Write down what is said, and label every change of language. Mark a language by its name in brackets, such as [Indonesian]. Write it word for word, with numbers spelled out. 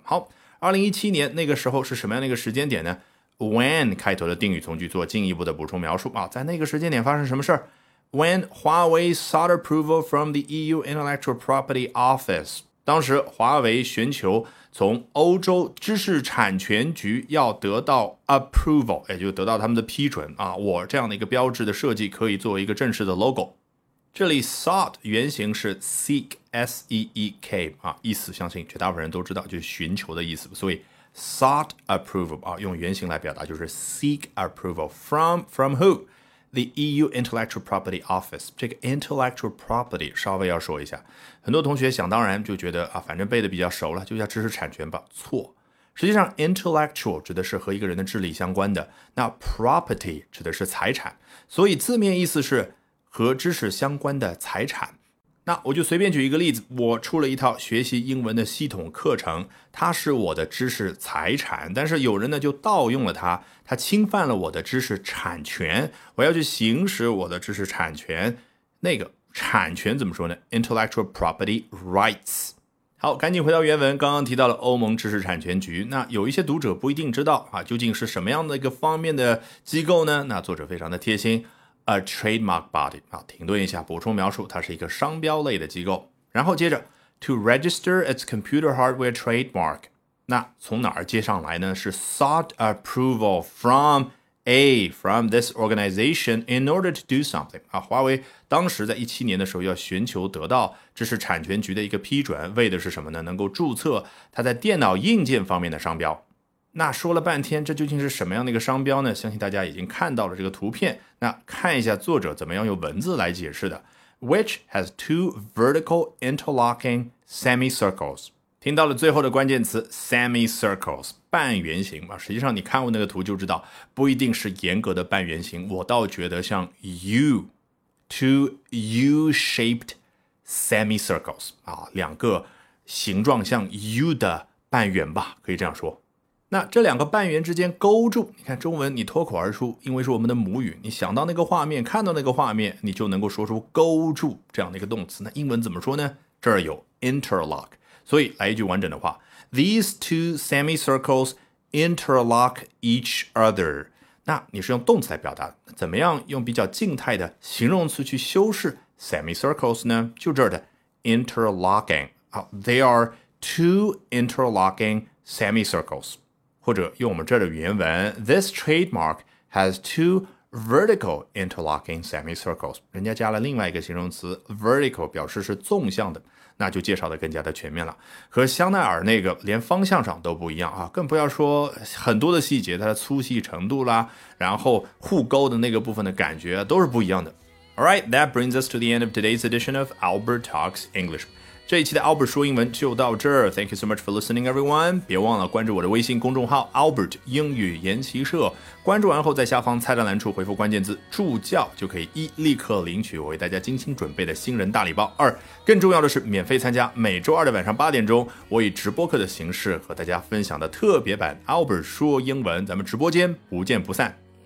[Chinese] 好，二零一七年那个时候是什么样的一个时间点呢？When 开头的定语从句做进一步的补充描述啊，在那个时间点发生什么事儿 ？ [English] When Huawei sought approval from the E U Intellectual Property Office， [Chinese] 当时华为寻求从欧洲知识产权局要得到 approval， 也就是得到他们的批准啊，我这样的一个标志的设计可以作为一个正式的 logo。这里 sought 原型是 seek S E E K 啊，意思相信绝大部分人都知道，就是寻求的意思，所以。 [English] Sought approval [Chinese] 啊，用原型来表达就是 [English] seek approval from from who the E U Intellectual Property Office。 [Chinese] 这个 intellectual property 稍微要说一下，很多同学想当然就觉得啊，反正背的比较熟了，就叫知识产权吧。错，实际上 intellectual 指的是和一个人的智力相关的，那 property 指的是财产，所以字面意思是和知识相关的财产。那我就随便举一个例子，我出了一套学习英文的系统课程，它是我的知识财产，但是有人呢就盗用了它，它侵犯了我的知识产权，我要去行使我的知识产权。那个产权怎么说呢？Intellectual property rights。好，赶紧回到原文，刚刚提到了欧盟知识产权局，那有一些读者不一定知道啊，究竟是什么样的一个方面的机构呢？那作者非常的贴心， [English] A trademark body， [Chinese] 啊，停顿一下，补充描述，它是一个商标类的机构。然后接着 [English] to register its computer hardware trademark， [Chinese] 那从哪儿接上来呢？ [English] 是 sought approval from a from this organization in order to do something。 [Chinese] 啊，华为当时在一七年的时候要寻求得到知识产权局的一个批准，为的是什么呢？能够注册它在电脑硬件方面的商标。那说了半天，这究竟是什么样的一个商标呢？相信大家已经看到了这个图片，那看一下作者怎么样用文字来解释的。 [English] Which has two vertical interlocking semicircles， [Chinese] 听到了最后的关键词 semicircles， 半圆形吧。实际上你看过那个图就知道，不一定是严格的半圆形，我倒觉得像 [English] U two U-shaped semicircles， [Chinese] 啊，两个形状像 U 的半圆吧，可以这样说。那这两个半圆之间勾住，你看中文你脱口而出，因为是我们的母语，你想到那个画面，看到那个画面，你就能够说出勾住这样的一个动词。那英文怎么说呢？这儿有 interlock， 所以来一句完整的话， [English] These two semicircles interlock each other。 [Chinese] 那你是用动词来表达，怎么样用比较静态的形容词去修饰 semicircles 呢？就这儿的 interlocking， [English] They are two interlocking semicircles， [Chinese] 或者用我们这儿的原文 [English] This trademark has two vertical interlocking semicircles， [Chinese] 人家加了另外一个形容词 vertical， 表示是纵向的，那就介绍的更加的全面了。和香奈儿那个连方向上都不一样啊，更不要说很多的细节，它的粗细程度啦，然后互勾的那个部分的感觉都是不一样的。 [English] Alright, that brings us to the end of today's edition of Albert Talks English。 [Chinese] 这一期的 Albert 说英文就到这儿 [English] Thank you so much for listening, everyone. [Chinese] 别忘了关注我的微信公众号 Albert 英语研习社，关注完后在下方菜单栏处回复关键字助教，就可以一立刻领取我为大家精心准备的新人大礼包，二更重要的是免费参加每周二的晚上八点钟我以直播课的形式和大家分享的特别版 Albert 说英文，咱们直播间不见不散。